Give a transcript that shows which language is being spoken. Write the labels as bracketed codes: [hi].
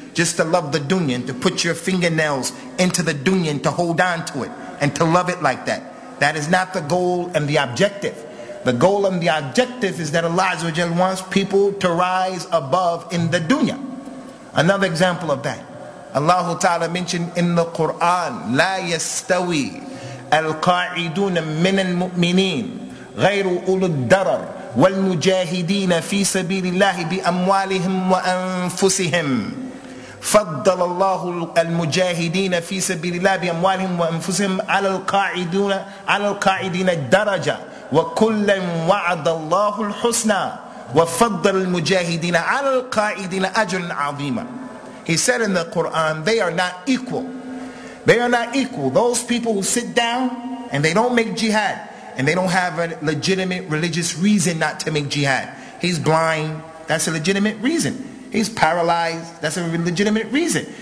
[en] Just to love the dunya and to put your fingernails into the dunya and to hold on to it and to love it like that. That is not the goal and the objective. The goal and the objective is that Allah Azza wa Jalla wants people to rise above in the dunya. Another example of that. Allah Ta'ala mentioned in the Quran, [ar] لَا يَسْتَوِي الْقَاعِدُونَ مِنَ الْمُؤْمِنِينَ غَيْرُ أُولُ الدَّرَرِ وَالْمُجَاهِدِينَ فِي سَبِيلِ اللَّهِ بِأَمْوَالِهِمْ وَأَنفُسِهِمْ فَضَّلَ اللَّهُ الْمُجَاهِدِينَ فِي سَبِيلِ اللَّهِ بِأَمْوَالِهِمْ وَأَنفُسِهِمْ عَلَى الْقَاعِدِينَ الدَّرَجَةَ وَكُلًّا وَعَدَ اللَّهُ الْحُسْنَى وَفَضَّلَ الْمُجَاهِدِينَ عَلَى الْقَاعِدِينَ أَجْرًا عَظِيمًا. [en] He said in the Quran, they are not equal. They are not equal. Those people who sit down and they don't make jihad and they don't have a legitimate religious reason not to make jihad. He's blind, that's a legitimate reason. He's paralyzed, that's a legitimate reason.